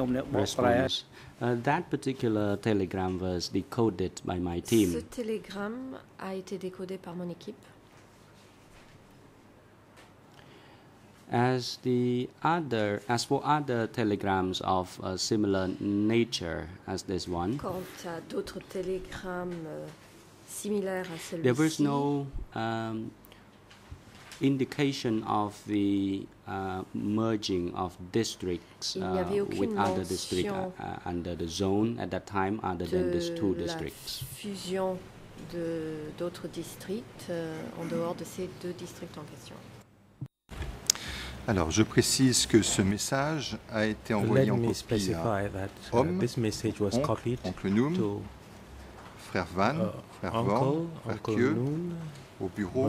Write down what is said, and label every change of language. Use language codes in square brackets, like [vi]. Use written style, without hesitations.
[en] That particular telegram was decoded by my team. [fr] Ce télégramme a été décodé par mon équipe. [en] As for other telegrams of a similar nature as this one. [fr] Quant à d'autres télégrammes similaires à celui-ci. [en] There was no indication of the merging of districts with other districts under the zone at that time, other than these two districts. [fr] Fusion de d'autres districts en dehors de ces deux districts en question. Alors, je précise que ce message a été envoyé en copie à oncle Noom, frère Van, frère Vorn, frère Kieu, au bureau